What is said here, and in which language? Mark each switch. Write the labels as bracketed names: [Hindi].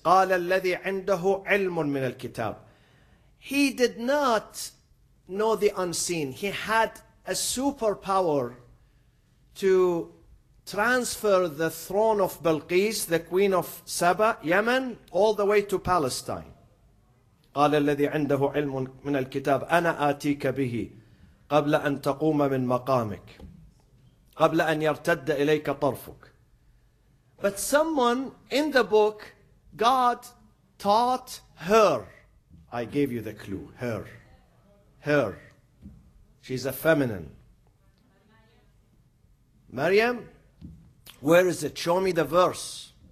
[Arabic] قال الذي عنده علم من الكتاب. [English] He did not know the unseen. He had a superpower to transfer the throne of Balqis, the queen of Saba, Yemen, all the way to Palestine. [Arabic] قال الذي عنده علم من الكتاب أنا آتيك به قبل أن تقوم من مقامك قبل أن يرتد إليك طرفك. [English] But someone in the book, God taught her. I gave you the clue. Her. Her. She's a feminine. Maryam, where is it? Show me the verse.